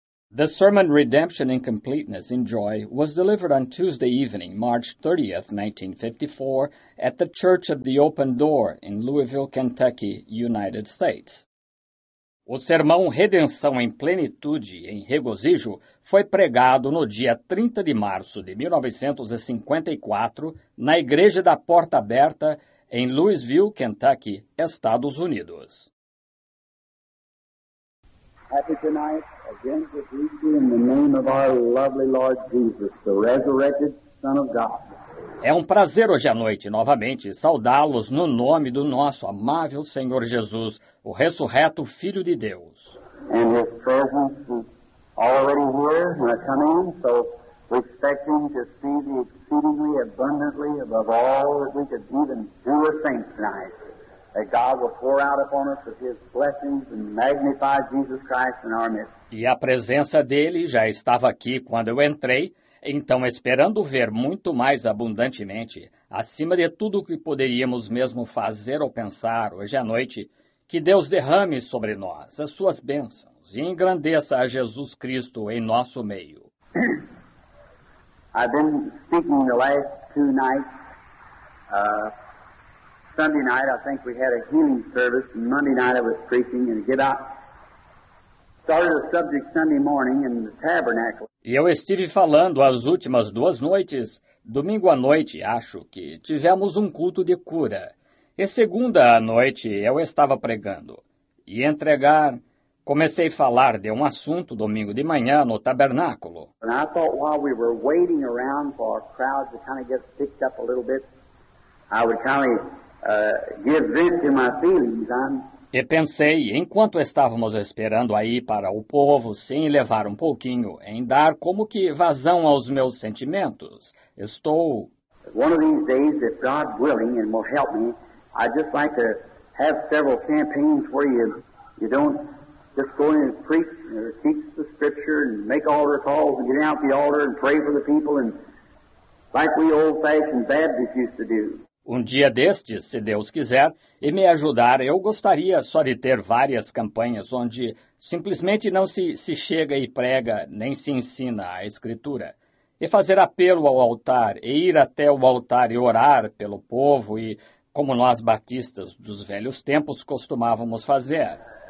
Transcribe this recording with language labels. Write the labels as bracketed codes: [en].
[en] The sermon Redemption in Completeness in Joy was delivered on Tuesday evening, March 30, 1954, at the Church of the Open Door in Louisville, Kentucky, United States. [pt] O sermão Redenção em Plenitude em Regozijo foi pregado no dia 30 de março de 1954 na Igreja da Porta Aberta em Louisville, Kentucky, Estados Unidos. [en] Happy tonight, again to greet you in the name of our lovely Lord Jesus, the resurrected Son of God. [pt] É um prazer hoje à noite, novamente, saudá-los no nome do nosso amável Senhor Jesus, o ressurreto Filho de Deus. [en] And His presence is already here when I come in, so we expect Him to see the exceedingly abundantly above all that we could even do or think tonight. That God will pour out upon us with His blessings and magnify Jesus Christ in our midst. [pt] E a presença dEle já estava aqui quando eu entrei, então esperando ver muito mais abundantemente, acima de tudo o que poderíamos mesmo fazer ou pensar hoje à noite, que Deus derrame sobre nós as suas bênçãos e engrandeça a Jesus Cristo em nosso meio. [en] I've been speaking the last two nights. Sunday night, I think we had a healing service, and Monday night I was preaching, and started a subject Sunday morning in the tabernacle. [pt] E eu estive falando as últimas duas noites, domingo à noite, acho que tivemos um culto de cura. E segunda à noite eu estava pregando. E comecei a falar de um assunto domingo de manhã no tabernáculo. [en] And I thought while we were waiting around for our crowd to kind of get picked up a little bit, I would kind of give vent to my feelings. [pt] E pensei, enquanto estávamos esperando aí para o povo se elevar um pouquinho, em dar como que vazão aos meus sentimentos. Estou... [en] One of these days, if God willing and will help me, I'd just like to have several campaigns where you don't just go in and preach or teach the scripture and make altar calls and get out the altar and pray for the people and like we old-fashioned Baptists used to do. [pt] Um dia destes, se Deus quiser, e me ajudar, eu gostaria só de ter várias campanhas onde simplesmente não se chega e prega, nem se ensina a Escritura. E fazer apelo ao altar, e ir até o altar e orar pelo povo, e como nós batistas dos velhos tempos costumávamos fazer.